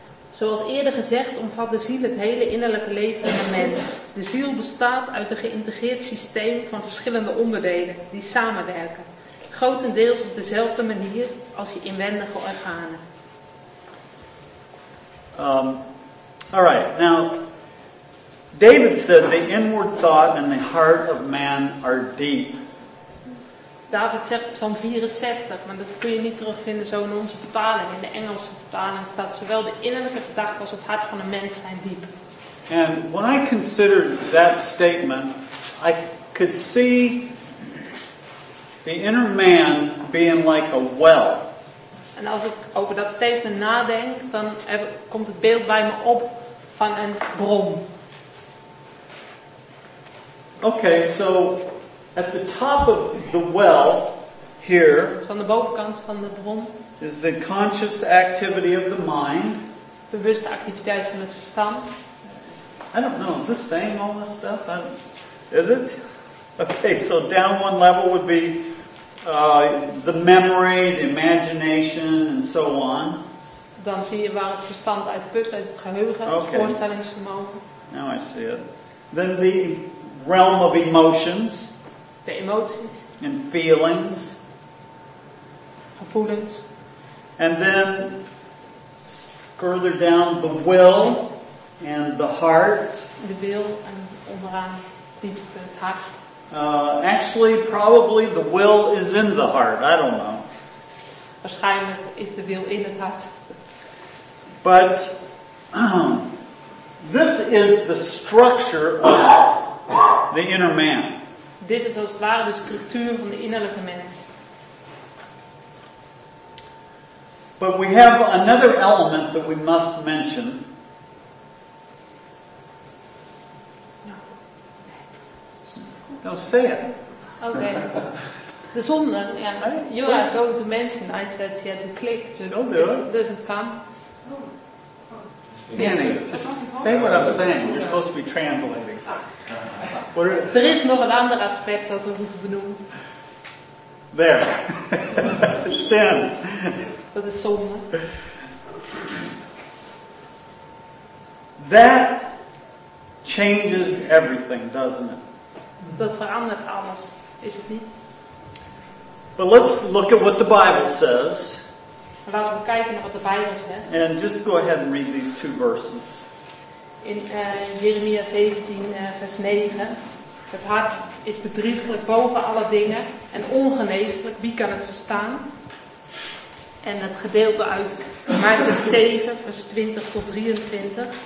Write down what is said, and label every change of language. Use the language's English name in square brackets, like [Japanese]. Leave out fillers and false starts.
[Dutch] Zoals eerder gezegd omvat de ziel het hele innerlijke leven van de mens. De ziel bestaat uit een geïntegreerd systeem van verschillende onderdelen die samenwerken. Grotendeels op dezelfde manier als je inwendige organen. [English] All right, now David said the inward thought and the heart of man are deep. [Dutch] David zegt op Psalm 64, maar dat kun je niet terugvinden zo in onze vertaling. In de Engelse vertaling staat zowel de innerlijke gedachte als het hart van een mens zijn diep. [English] And when I considered that statement, I could see the inner man being like a well. [Dutch] En als ik over dat statement nadenk, dan komt het beeld bij me op van een bron. [English] Okay, so at the top of the well here, [Dutch] van de bovenkant van de bron, [English] is the conscious activity of the mind. [Dutch] Bewuste activiteit van het verstand. [English] I don't know, is this saying all this stuff? Is it? Okay, so down one level would be the memory, the imagination, and so on. [Dutch] Dan zie je waar het verstand uit put, uit het geheugen, het voorstellingsvermogen. [English] Now I see it. Then the realm of emotions. [Dutch] De emoties. [English] And feelings. [Dutch] Gevoelens. [English] And then, further down, the will and the heart. [Dutch] De wil en onderaan diepste het hart. [English] Actually, probably the will is in the heart. I don't know. [Dutch] Waarschijnlijk is de wil in het hart. [English] But this is the structure of the inner man. [Dutch] Dit is als het ware de structuur van de innerlijke mens. [English] But we have another element that we must mention. Now say it. [Dutch] Okay. De zonde, yeah. [English] You are going to mention, I said she had to click. She'll do it. Does it come? Oh. Danny, just say what I'm saying. You're supposed to be translating. There is [Dutch] nog een ander aspect dat we moeten benoemen. [English] There. Sin. [Dutch] Dat is zonde. [English] That changes everything, doesn't it? [Dutch] Dat verandert alles, is het niet? [English] But let's look at what the Bible says. [Dutch] Laten we kijken naar wat de Bijbel zegt. [English] And just go ahead and read these two verses. [Dutch] In Jeremia 17, vers 9. Het hart is bedrieglijk boven alle dingen en ongeneeslijk. Wie kan het verstaan? En het gedeelte uit Markus 7, vers 20 tot 23.